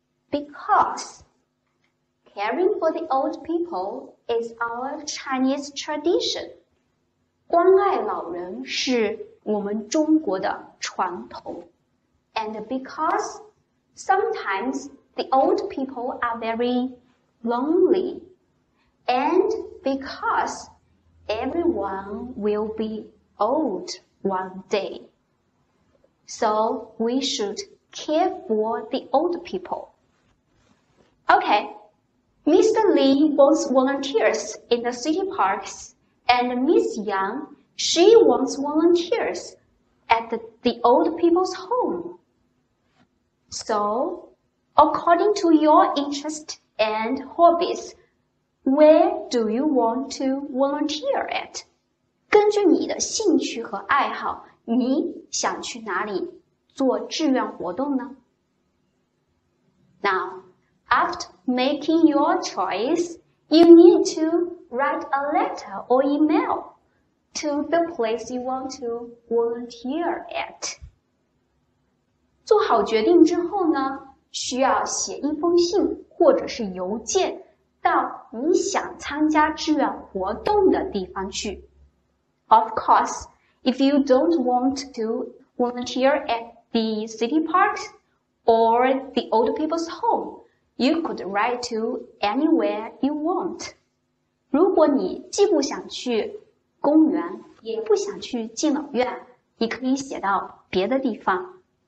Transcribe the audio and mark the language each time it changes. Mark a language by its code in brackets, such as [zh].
[en] Because caring for the old people is our Chinese tradition. [zh] 关爱老人是我们中国的传统。 [en] And because sometimes the old people are very lonely. And because everyone will be old one day. So we should care for the old people. Okay, Mr. Lee wants volunteers in the city parks, and Miss Yang, she wants volunteers at the old people's home. So, according to your interest and hobbies, where do you want to volunteer at? [zh] 根据你的兴趣和爱好，你想去哪里做志愿活动呢？ [en] Now, after making your choice, you need to write a letter or email to the place you want to volunteer at. [zh] 做好决定之后呢，需要写一封信或者是邮件到你想参加志愿活动的地方去。 [en] Of course, if you don't want to volunteer at the city park or the old people's home, you could write to anywhere you want. [zh] 如果你既不想去公园，也不想去敬老院，你可以写到别的地方。